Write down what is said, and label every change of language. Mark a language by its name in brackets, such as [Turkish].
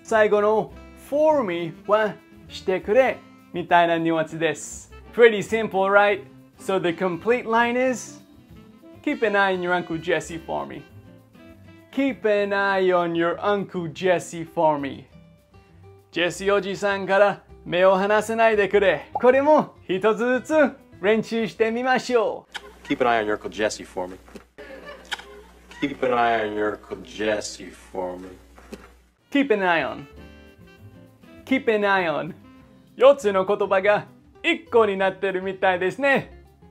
[Japanese] 最後の [English] for me [Japanese] はしてくれみたいなニュアンスです。 [English] Pretty simple, right? So the complete line is Keep an eye on your Uncle Jesse for me. Keep an eye on your Uncle Jesse for me. [Japanese] Jesse おじさんから目を離さないでくれ。これも一つずつ練習してみましょう。 [English] Keep an eye on your Uncle Jesse for me. Keep an eye on your Uncle Jesse for me. Keep an eye on. Keep an eye on. [Japanese] 4つの言葉が1個になってるみたいですね。